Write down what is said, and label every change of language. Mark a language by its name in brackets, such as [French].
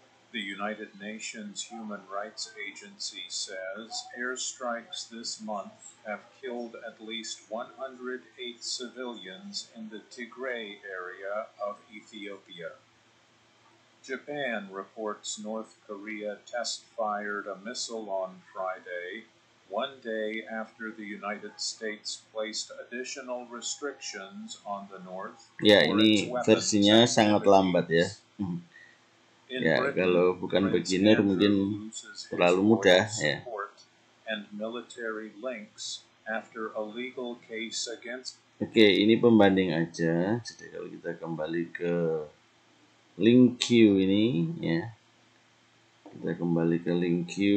[English] The United Nations Human Rights Agency says airstrikes this month have killed at least 108 civilians in the Tigray area of Ethiopia. Japan reports North Korea test-fired a missile on Friday, one day after the United States placed additional restrictions on the North. [Indonesian] Ya, ini versinya sangat lambat ya. Ya, kalau bukan beginner mungkin terlalu mudah ya. [English] And military links after a legal case against. [Indonesian] Oke, ini pembanding aja. Jadi kalau kita kembali ke LingQ ini ya. Kita kembali ke LingQ.